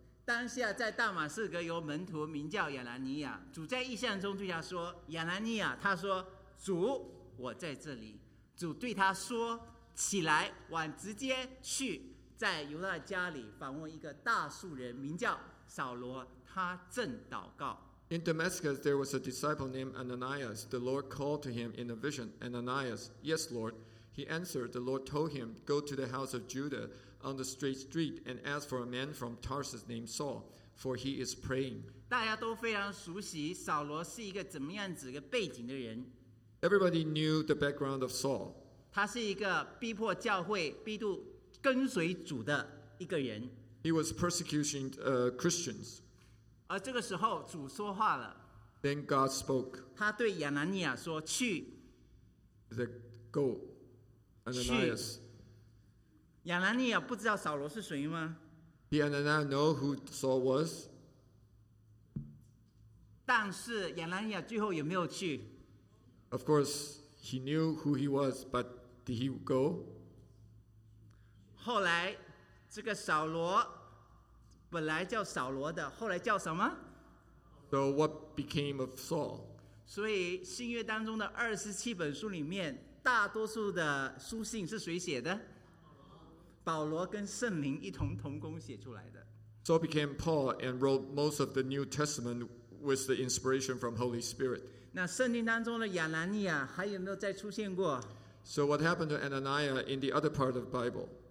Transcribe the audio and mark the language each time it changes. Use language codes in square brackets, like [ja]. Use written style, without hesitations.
[zh] 当下在大马士革有门徒名叫亚拿尼亚主在异象中对他说亚拿尼亚他说主我在这里主对他说起来往直接去在犹大家里访问一个大数人名叫扫罗他正祷告 [en] In Damascus there was a disciple named Ananias The Lord called to him in a vision Ananias, yes Lord He answered The Lord told him Go to the house of JudahOn the straight street, and ask for a man from Tarsus named Saul, for he is praying. [zh] 大家都非常熟悉扫罗是一个怎么样子一个背景的人。 [en] Everybody knew the background of Saul. [zh] 他是一个逼迫教会、逼迫跟随主的一个人。 [en] He was persecuting Christians. [zh] 而这个时候主说话了。 [en] Then God spoke. [zh] 他对亚拿尼亚说：“去。” [en] The go, Ananias. [zh] 亚拿尼亚不知道扫罗是谁吗 [en] ？Did Ananias know who Saul was? [zh] 但是亚拿尼亚最后有没有去？ [en] Of course, he knew who he was, but did he go? [zh] 后来这个扫罗本来叫扫罗的，后来叫什么？ [en] So what became of Saul? [zh] 所以新约当中的二十七本书里面，大多数的书信是谁写的？保罗跟圣灵一同同工写出来的。 [en] So became Paul and wrote most of the New Testament with the inspiration from Holy Spirit. [zh] 那圣经当中的亚拿尼亚还有没有再出现过？ [en] So what happened to Ananias in the other part of the Bible?